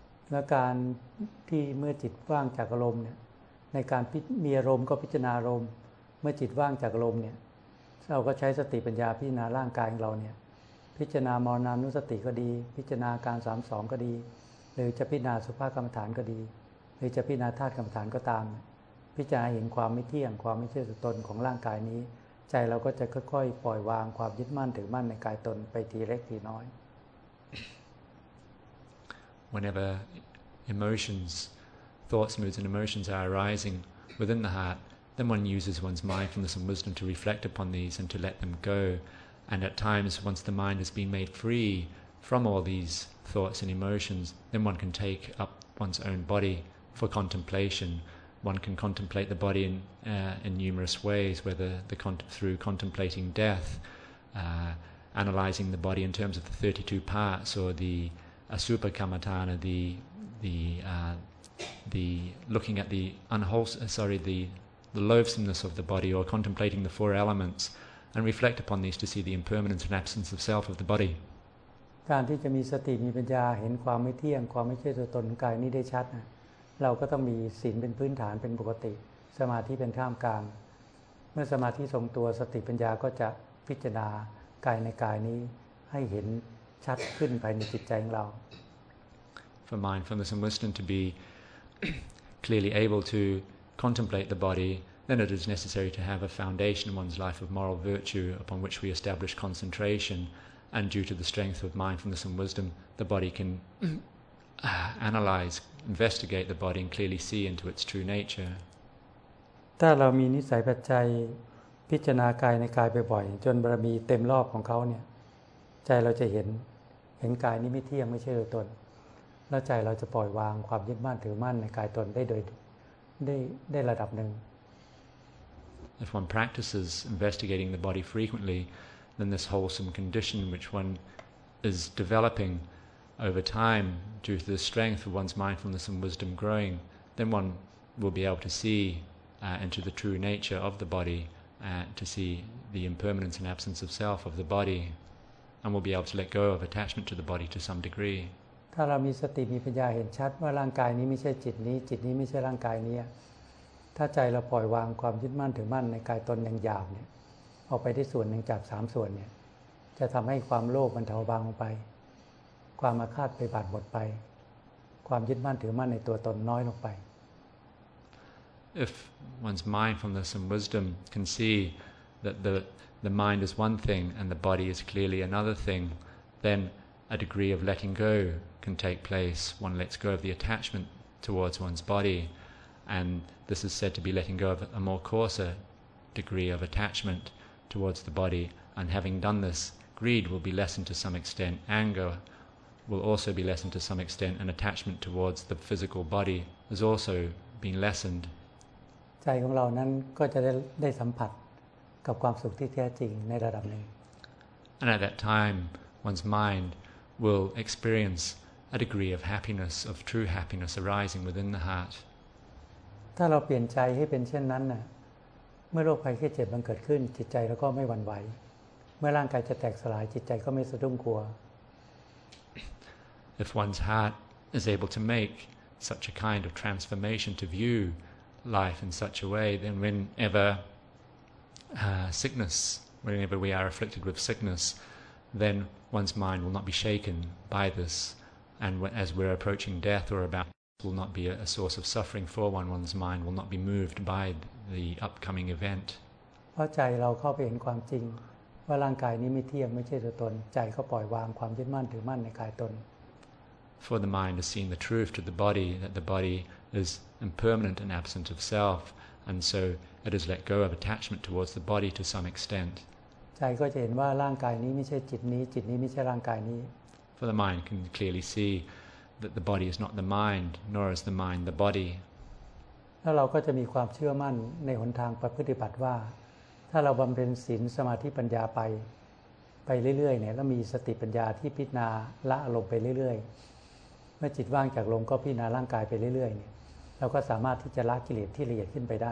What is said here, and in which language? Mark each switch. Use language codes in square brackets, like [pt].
[th] และการที่เมื่อจิตว่างจากอารมณ์เนี่ยในการมีอารมณ์ก็พิจารณาอารมณ์เมื่อจิตว่างจากอารมณ์เนี่ยเราก็ใช้สติปัญญาพิจารณาร่างกายของเราเนี่ยพิจารณามรณานุสติก็ดีพิจารณาการ32ก็ดีหรือจะพิจารณาสุภาพกรรมฐานก็ดีหรือจะพิจารณาธาตุกรรมฐานก็ตามพิจารณาเห็นความไม่เที่ยงความไม่ใช่ตัวตนของร่างกายนี้ใจเราก็จะค่อยๆปล่อยวางความยึดมั่นถือมั่นในกายตนไปทีเล็กทีน้อย [en] Whenever emotions thoughts moods and emotions are arising within the heart then one uses one's mindfulness and wisdom to reflect upon these and to let them goAnd at times, once the mind has been made free from all these thoughts and emotions, then one can take up one's own body for contemplation. One can contemplate the body in numerous ways, whether through contemplating death, analyzing the body in terms of the 32 parts or the asupa kamatana, the looking at the loathsomeness of the body, or contemplating the four elements. And reflect upon these to see the impermanence and absence of self of the body. [th] การที่จะมีสติมีปัญญาเห็นความไม่เที่ยงความไม่ใช่ตัวตนกายนี้ได้ชัดนะเราก็ต้องมีศีลเป็นพื้นฐานเป็นปกติสมาธิเป็นท่ามกลางเมื่อสมาธิทรงตัวสติปัญญาก็จะพิจารณากายในกายนี้ให้เห็นชัดขึ้นภายในจิตใจของเรา [en] For mindfulness and wisdom to be clearly able to contemplate the bodyThen it is necessary to have a foundation in one's life of moral virtue upon which we establish concentration. And due to the strength of mindfulness and wisdom, the body can analyze, investigate the body, and clearly see into its true nature. [th] ถ้าเรามีนิสัยปัจจัยพิจารณากายในกายบ่อยๆจนบารมีเต็มรอบของเขาเนี่ยใจเราจะเห็นกายนี้ไม่เที่ยงไม่ใช่ตัวตนแล้วใจเราจะปล่อยวางความยึดมั่นถือมั่นในกายตนได้โดยได้ระดับหนึ่ง [en] If one practices investigating the body frequently, then this wholesome condition which one is developing over time due to the strength of one's mindfulness and wisdom growing, then one will be able to see into the true nature of the body, to see the impermanence and absence of self of the body, and will be able to let go of attachment to the body to some degree. [th] ถ้าเรามีสติมีปัญญาเห็นชัดว่าร่างกายนี้ไม่ใช่จิตนี้จิตนี้ไม่ใช่ร่างกายนี้ถ้าใจเราปล่อยวางความยึดมั่นถือมั่นในกายตนอย่างหยาบเนี่ยออกไปที่ส่วนหนึ่งจากสามส่วนเนี่ยจะทำให้ความโลภมันเบาบางลงไปความอาฆาตไปบาดหมดไปความยึดมั่นถือมั่นในตัวตนน้อยลงไป [en] If one's mindfulness and wisdom can see that the mind is one thing and the body is clearly another thing, then a degree of letting go can take place. One lets go of the attachment towards one's body. And this is said to be letting go of a more coarser degree of attachment towards the body. And having done this, greed will be lessened to some extent. Anger will also be lessened to some extent. And attachment towards the physical body has also been lessened. [th] ใจของเรานั้นก็จะได้สัมผัสกับความสุขที่แท้จริงในระดับหนึ่ง [en] And at that time, one's mind will experience a degree of happiness, of true happiness arising within the heart. [th] ถ้าเราเปลี่ยนใจให้เป็นเช่นนั้นน่ะเมื่อโรคภัยแค่เจ็บมันเกิดขึ้นจิตใจเราก็ไม่หวั่นไหวเมื่อร่างกายจะแตกสลายจิตใจก็ไม่สะดุ้งกลัว [en] If one's heart is able to make such a kind of transformation to view life in such a way then whenever sickness whenever we are afflicted with sickness then one's mind will not be shaken by this. And as we're approaching death or about, will not be a source of suffering for one. One's mind will not be moved by the upcoming event. [th] เพราะใจเราเข้าไปเห็นความจริงว่าร่างกายนี้ไม่เที่ยงไม่ใช่ตัวตนใจก็ปล่อยวางความยึดมั่นถือมั่นในกายตน [en] For the mind has seen the truth to the body that the body is impermanent and absent of self, and so it has let go of attachment towards the body to some extent. [th] ใจก็จะเห็นว่าร่างกายนี้ไม่ใช่จิตนี้จิตนี้ไม่ใช่ร่างกายนี้ [en] For the mind can clearly see that the body is not the mind, nor is the mind the body. [th] แล้วเราก็จะมีความเชื่อมั่นในหนทางประพฤติปฏิบัติว่าถ้าเราบำเพ็ญศีลสมาธิปัญญาไปเรื่อยๆเนี่ยแล้วมีสติปัญญาที่พิจารณาละอารมณ์ไปเรื่อยๆเมื่อจิตว่างจากลมก็พิจารณาร่างกายไปเรื่อยๆเนี่ยเราก็สามารถที่จะละกิเลสที่ละเอียดขึ้นไปได